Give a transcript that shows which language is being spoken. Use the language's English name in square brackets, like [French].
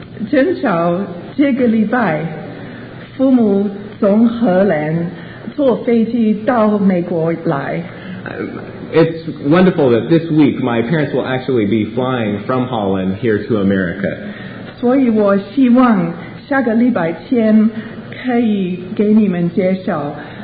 [Chinese] 正巧这个礼拜，父母从荷兰坐飞机到美国来。 [English] It's wonderful that this week my parents will actually be flying from Holland here to America. [Chinese] 所以我希望下个礼拜天可以给你们介绍。